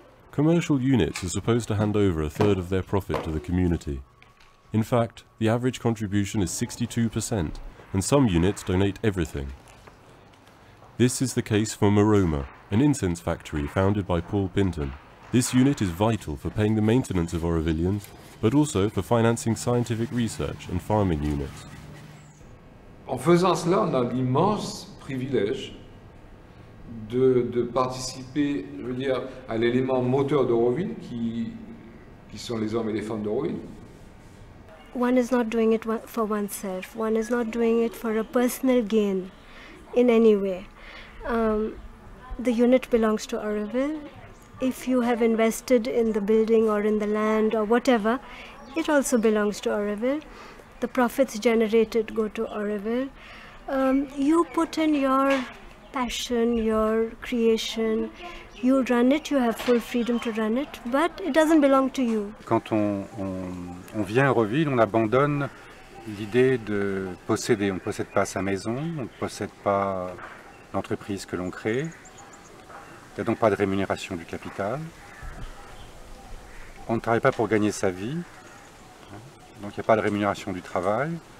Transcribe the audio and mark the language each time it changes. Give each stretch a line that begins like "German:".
English: Commercial units are supposed to hand over a third of their profit to the community. In fact, the average contribution is 62%, and some units donate everything. This is the case for Maroma, an incense factory founded by Paul Pinton. This unit is vital for paying the maintenance of Aurovillians, but also for financing scientific research and farming units.
French: En faisant cela, on a l'immense privilège de participer, je veux dire, à l'élément moteur d'Auroville, qui sont les hommes et les femmes d'Auroville.
English: One is not doing it for oneself. One is not doing it for a personal gain in any way. The unit belongs to Auroville. If you have invested in the building or in the land or whatever, it also belongs to Auroville. The profits generated go to Auroville. You put in your passion, your creation, you run it, you have full freedom to run it, but it doesn't belong to you.
French: Quand on vient à Auroville, on abandonne l'idée de posséder. On ne possède pas sa maison, on ne possède pas l'entreprise que l'on crée. Il n'y a donc pas de rémunération du capital. On ne travaille pas pour gagner sa vie. Donc il n'y a pas de rémunération du travail.